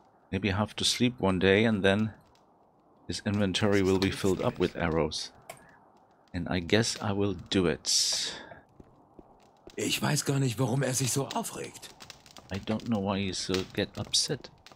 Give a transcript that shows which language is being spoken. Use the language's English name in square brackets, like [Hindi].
[English] Maybe I have to sleep one day and then his inventory will be filled up with arrows. And I guess I will do it. [German] Ich weiß gar nicht, warum er sich so aufregt. [English] I don't know why he's so get upset.